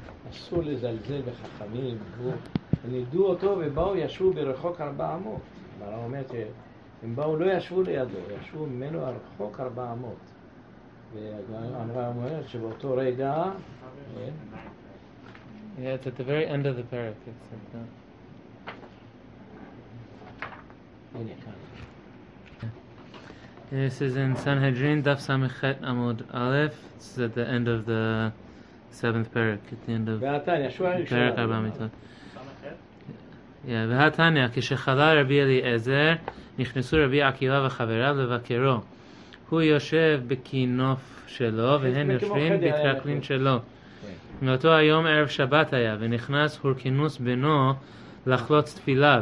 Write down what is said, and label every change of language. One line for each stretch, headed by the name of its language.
Hebrew: אסור לזלזל בחכמים, נדעו אותו ובאו ישבו ברחוק 400. אבל הוא אומר שהם באו לא ישבו לידו, ישבו ממנו הרחוק 400. והגמרא אומרת שבאותו רגע...
English: Yeah, it's at the very end of the parak.
Hebrew: הנה כאן.
English: This is in Sanhedrin, Daf Samechet Amud Aleph. This is at the end of the 7th parak, at the end of the parak 4 mitzvot.
Hebrew: והתניא, כשחלה רבי אליעזר, נכנסו רבי עקיבא וחבריו לבקרו. הוא יושב בכינוף שלו, והם יושבים בטרקלין שלו. מאותו היום ערב שבת היה, ונכנס הורקינוס בנו לחלוץ תפיליו.